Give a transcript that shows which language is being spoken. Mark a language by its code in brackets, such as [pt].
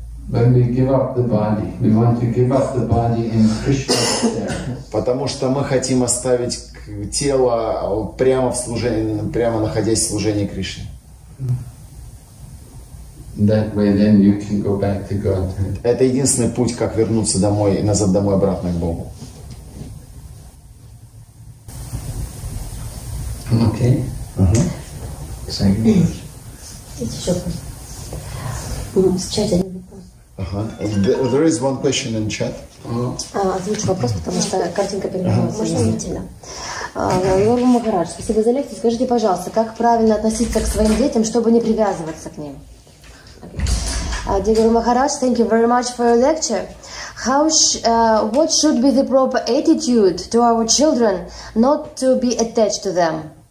[en] When we give up the body, we want to give up the body in Krishna service. [ru] Потому что мы хотим оставить тело прямо в служении, прямо находясь в служении Кришне. [en] That way, then you can go back to God. [ru] Это единственный путь, как вернуться домой, назад домой, обратно к Богу. [en] Okay. Uh-huh. There is one question in chat. [ru] Озвучу вопрос, потому что картинка перемещается. Лорд Махарадж, спасибо за лекцию. Скажите, пожалуйста, как правильно относиться к своим детям, чтобы не привязываться к ним? [en] Дигуру Махарадж, thank you very much for your lecture. What should be the proper attitude to our children, not to be attached to them?